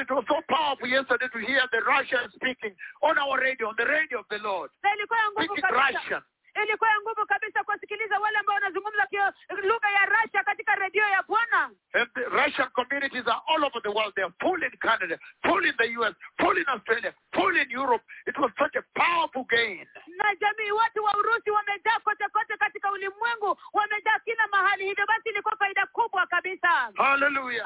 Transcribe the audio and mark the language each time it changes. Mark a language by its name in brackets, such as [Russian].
[English] it was so powerful yesterday to hear the Russian speaking on our radio, on the radio of the Lord. Speaking Russian. [Swahili] Ilikuwa ya nguvu kabisa kusikiliza wale ambao wanazungumza lugha ya Russia katika redio ya Bwana. [English] Russian communities are all over the world. They are full in Canada, full in the US, full in Australia, full in Europe. It was such a powerful gain. [Swahili] Na jamii watu wa Urusi wamejaa kote kote katika ulimwengu, wamejaa kila mahali. Hivyo basi ilikuwa faida kubwa kabisa. Hallelujah.